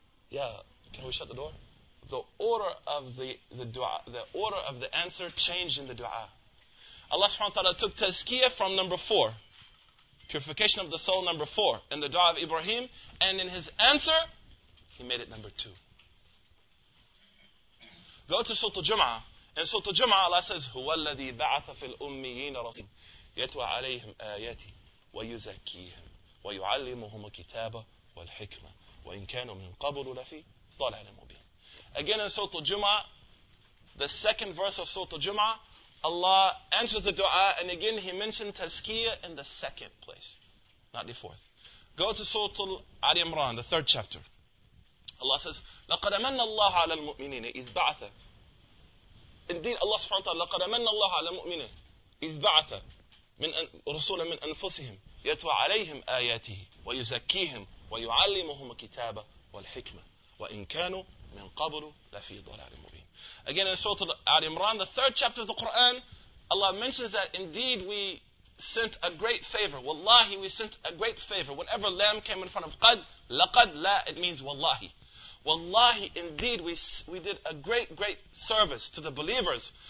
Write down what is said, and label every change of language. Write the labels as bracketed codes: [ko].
[en] Yeah, can we shut the door? The order of the dua, the order of the answer changed in the dua. Allah subhanahu wa ta'ala took tazkiyah from number 4. Purification of the soul number 4 in the dua of Ibrahim. And in his answer, he made it number 2. Go to Surah Al-Jum'ah. In Surah Al-Jum'ah, Allah says, [ar] هُوَ الَّذِي بَعَثَ فِي الْأُمِّيِّينَ رَسُولًا يَتْوَى عَلَيْهِمْ آيَاتِ وَيُزَكِّيهِمْ وَيُعَلِّمُهُمُ الْكِتَابَ وَالْحِكْمَةِ وَإِنْ كَانُوا مِنْ قَبْلُ لَفِي ضَلَالٍ مُبِينٍ. [en] Again in Surah Al-Jum'ah, the second verse of Surah Al-Jum'ah, Allah answers the dua, and again He mentioned tazkiyah in the second place, not the fourth. Go to Surah Ali Imran, the third chapter. Allah says, [ar] لَقَدْ أَمَنَّ اللَّهُ عَلَى الْمُؤْمِنِينَ إِذْ بَعَثَ. [en] Indeed, Allah subhanahu wa ta'ala, [ar] لَقَدْ أَمَنَّ اللَّهُ عَلَى الْمُؤْمِنِينَ إِذْ بَعَثَ رُسُولًا مِنْ أَنفُسِهِمْ يَتْوَى عَلَيْهِمْ آيَاتِهِ وَيُزَكِّيهِمْ وَيُعَلِّمُهُمُ الْكِتَابَ وَالْحِكْمَةَ وَإِنْ كَانُوا مِنْ قَبْلُ لَفِي ضَلَالٍ مُبِينٍ. [en] Again, in Surah Al-Imran, the third chapter of the Qur'an, Allah mentions that indeed we sent a great favor. Wallahi, we sent a great favor. Whenever lam came in front of qad, laqad, la, it means wallahi. Wallahi, indeed, we did a great, great service to the believers.